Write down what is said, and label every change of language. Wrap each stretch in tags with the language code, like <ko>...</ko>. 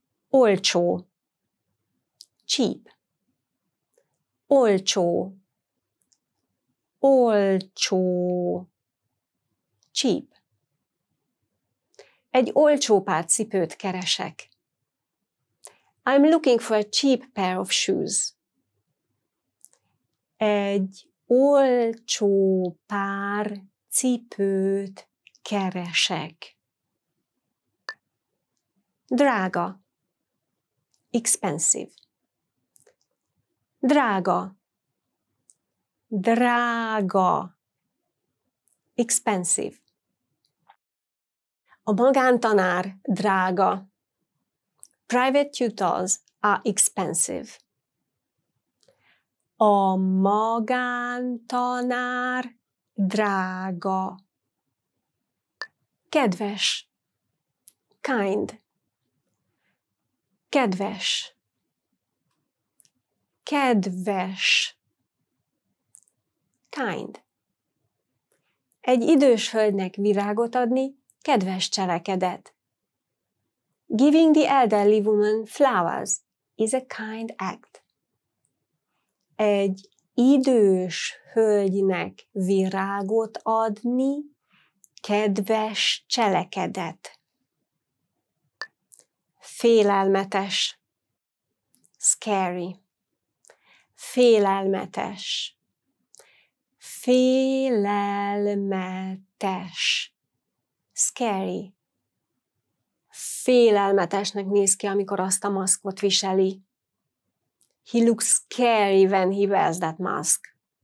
<hu>Olcsó. Cheap. Olcsó. Olcsó. Cheap. Egy olcsó pár cipőt keresek.</hu> <en>I'm looking for a cheap pair of shoes.</en> <hu>Egy olcsó pár cipőt keresek. Drága. Expensive. Drága. Drága. Expensive. A magántanár drága.</hu> <en>Private tutors are expensive.</en> <hu>A magántanár drága. Kedves. Kind. Kedves. Kedves. Kind. Egy idős hölgynek virágot adni kedves cselekedet.</hu> <en>Giving the elderly woman flowers is a kind act.</en> <hu>Egy idős hölgynek virágot adni kedves cselekedet. Félelmetes. Scary. Félelmetes. Félelmetes. Scary. Félelmetesnek néz ki, amikor azt a maszkot viseli.</hu> <en>He looks scary when he wears that mask.</en>